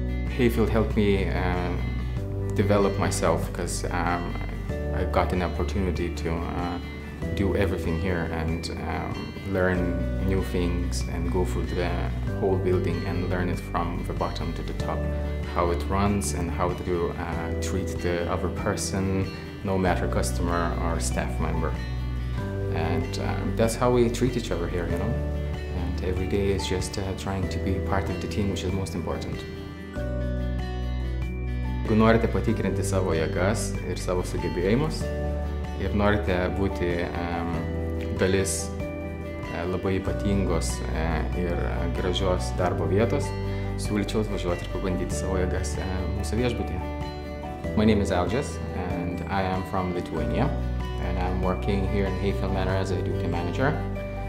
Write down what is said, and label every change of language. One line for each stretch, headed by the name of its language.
English: Hayfield helped me develop myself because I've got an opportunity to do everything here and learn new things and go through the whole building and learn it from the bottom to the top, how it runs and how to treat the other person, no matter customer or staff member. And that's how we treat each other here, you know. And every day is just trying to be part of the team, which is most important.
Lithuanian: Jeigu norite patikrinti savo jėgas ir savo sugebėjimus, ir norite būti dalis labai ypatingos ir gražios darbo vietos, siūlyčiau atvažiuoti ir pabandyti savo jėgas mūsų viešbutyje.
English: My name is Algis and I am from Lithuania and I'm working here in Hayfield Manor as a duty manager.